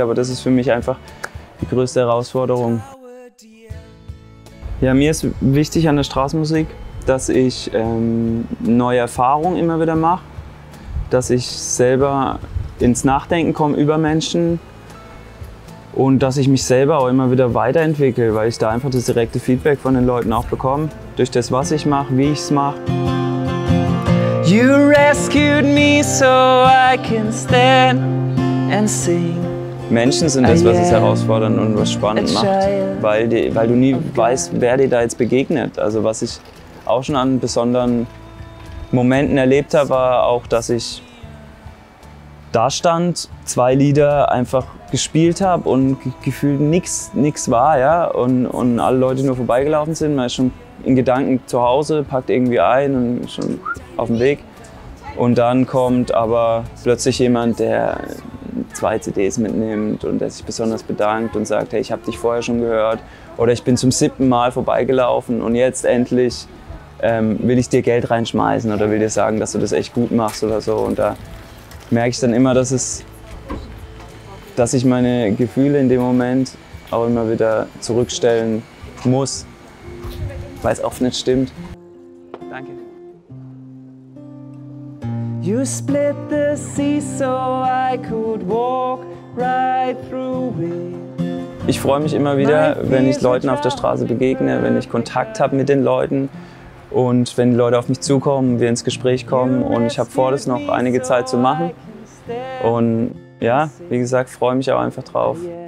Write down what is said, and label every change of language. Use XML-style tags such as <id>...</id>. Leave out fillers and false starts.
<de>Aber das ist für mich einfach die größte Herausforderung. Ja, mir ist wichtig an der Straßenmusik, dass ich neue Erfahrungen immer wieder mache, dass ich selber ins Nachdenken komme über Menschen. Und dass ich mich selber auch immer wieder weiterentwickle, weil ich da einfach das direkte Feedback von den Leuten auch bekomme. Durch das, was ich mache, wie ich es mache.</de> <en>You rescued me so I can stand and sing.</en> <de>Menschen sind das, was es herausfordernd und was spannend macht. Weil du nie weißt, wer dir da jetzt begegnet. Also was ich auch schon an besonderen Momenten erlebt habe, war auch, dass ich da stand, zwei Lieder einfach gespielt habe und gefühlt nichts war, ja, und alle Leute nur vorbeigelaufen sind, man ist schon in Gedanken zu Hause, packt irgendwie ein und schon auf dem Weg. Und dann kommt aber plötzlich jemand, der zwei CDs mitnimmt und der sich besonders bedankt und sagt, hey, ich habe dich vorher schon gehört oder ich bin zum 7. Mal vorbeigelaufen und jetzt endlich will ich dir Geld reinschmeißen oder will dir sagen, dass du das echt gut machst oder so. Und da merke ich dann immer, dass ich meine Gefühle in dem Moment auch immer wieder zurückstellen muss, weil es oft nicht stimmt. Danke.</de> <en>You split the sea so I could walk right through it.</en> <de>Ich freue mich immer wieder, wenn ich Leuten auf der Straße begegne, wenn ich Kontakt habe mit den Leuten und wenn die Leute auf mich zukommen, wir ins Gespräch kommen und ich habe vor, das noch einige Zeit zu machen. Und ja, wie gesagt, freue mich auch einfach drauf.</de>